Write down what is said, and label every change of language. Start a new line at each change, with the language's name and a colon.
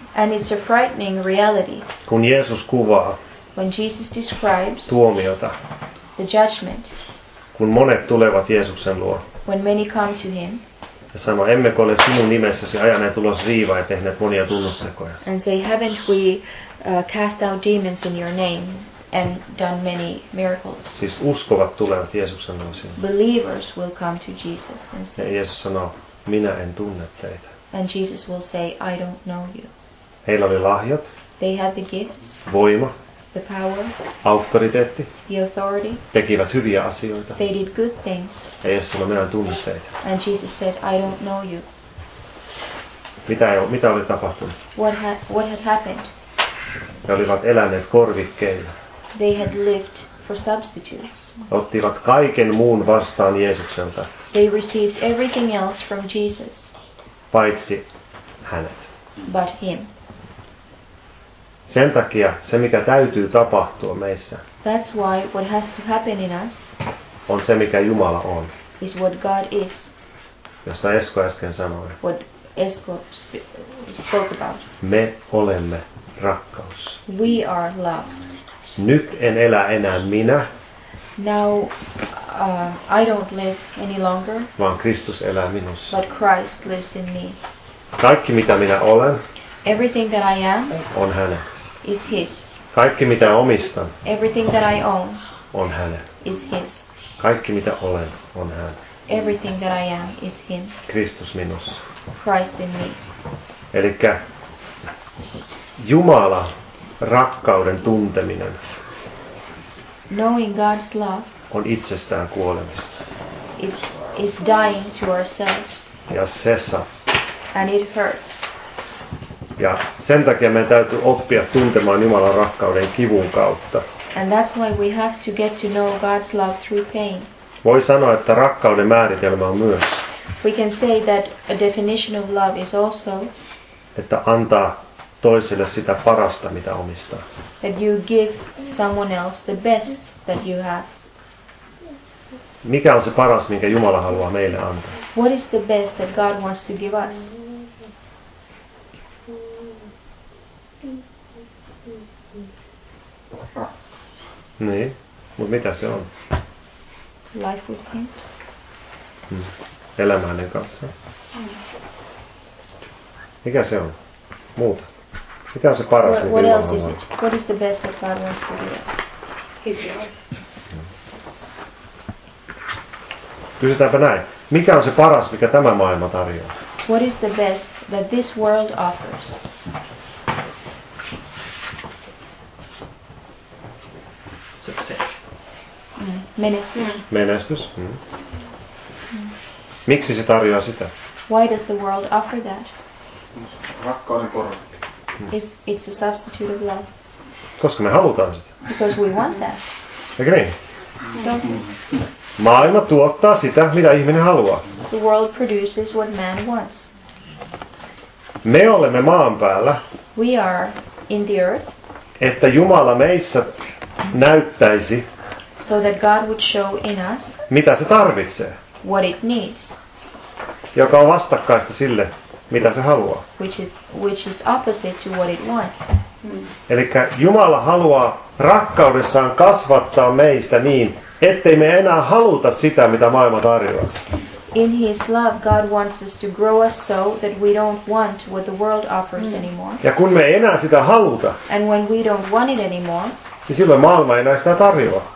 English: And it's a frightening reality.
Finnish: Kun Jeesus kuvaa
English: when Jesus describes
Finnish: tuomiota,
English: the judgment,
Finnish: kun monet tulevat Jeesuksen luo,
English: when many come to him,
Finnish: ja sanoo, emmekö ole sinun nimessäsi ajaneet ulos riivaa ja tehneet monia tunnustekoja.
English: And say, haven't we cast out demons in your name and done many miracles?
Finnish: Siis uskovat tulevat Jeesuksen luo sinne.
English: Believers will come to Jesus and say,
Finnish: ja Jeesus sanoo, minä en tunne teitä.
English: And Jesus will say, I don't know you.
Finnish: Heillä oli lahjat.
English: They had the gifts.
Finnish: Voima.
English: The power,
Finnish: auktoriteetti,
English: the authority,
Finnish: tekivät hyviä asioita.
English: They did good things.
Finnish: Ja Jeesus sanoi, minä en tunne teitä.
English: And Jesus said, I don't know you.
Finnish: Mitä oli tapahtunut?
English: What had happened?
Finnish: He olivat eläneet korvikkeilla.
English: They had lived for substitutes.
Finnish: Ottivat kaiken muun vastaan Jeesukselta.
English: They received everything else from Jesus.
Finnish: Paitsi hänet.
English: But him.
Finnish: Sen takia se, mikä täytyy tapahtua meissä,
English: that's why what has to happen in us,
Finnish: on se, mikä Jumala on.
English: Is what God is.
Finnish: Josta Esko äsken sanoi.
English: What Esko spoke about.
Finnish: Me olemme rakkaus.
English: We are love.
Finnish: Nyt en elä enää minä.
English: Now I don't live any longer.
Finnish: Vaan Kristus elää minussa.
English: But Christ lives in me.
Finnish: Kaikki mitä minä olen.
English: Everything that I am.
Finnish: On hänen.
English: Is his.
Finnish: Kaikki mitä omistan.
English: Everything that I own.
Finnish: On hänen.
English: Is his.
Finnish: Kaikki mitä olen on hänen.
English: Everything that I am is him.
Finnish: Kristus minussa.
English: Christ in me.
Finnish: Elikkä Jumala rakkauden tunteminen.
English: Knowing God's love.
Finnish: On itsestään kuolemista.
English: It is dying to ourselves.
Finnish: Ja se saa.
English: And it hurts.
Finnish: Ja sen takia meidän täytyy oppia tuntemaan Jumalan rakkauden kivun kautta.
English: And that's why we have to get to know God's love through pain.
Finnish: Voi sanoa, että rakkauden määritelmä on myös.
English: We can say that a definition of love is also.
Finnish: Että antaa toiselle sitä parasta, mitä omistaa.
English: That you give someone else the best that you have.
Finnish: Mikä on se paras, minkä Jumala haluaa meille antaa?
English: What is the best that God wants to give us?
Finnish: Niin, mutta mitä se on?
English: Life with him.
Finnish: Elämä hänen kanssa. Mikä se on? Muuta. Mitä on se paras, mitä Jumala haluaa?
English: What is the best that God wants to give us? His love.
Finnish: Kysytäänpä näin. Mikä on se paras, mikä tämä maailma tarjoaa?
English: What is the best that this world offers? Success.
Finnish: Menestys. Miksi se tarjoaa sitä?
English: Why does the world offer that?
Finnish: Rakkauden korvike.
English: It's a substitute of love.
Finnish: Koska me halutaan sitä.
English: Because we want that.
Finnish: Eikö niin? Maailma tuottaa sitä, mitä ihminen haluaa.
English: The world produces what man wants.
Finnish: Me olemme maan päällä.
English: We are in the earth.
Finnish: Että Jumala meissä näyttäisi.
English: So that God would show in us.
Finnish: Mitä se tarvitsee?
English: What it needs.
Finnish: Joka on vastakkaista sille, mitä se haluaa.
English: Which is opposite to what it wants.
Finnish: Elikkä Jumala haluaa rakkaudessaan kasvattaa meistä niin, ettei me enää haluta sitä, mitä maailma tarjoaa.
English: In his love, God wants us to grow us so that we don't want what the world offers anymore.
Finnish: Ja kun me ei enää sitä haluta,
English: and when we don't want it anymore,
Finnish: niin silloin maailma ei enää sitä tarjoa.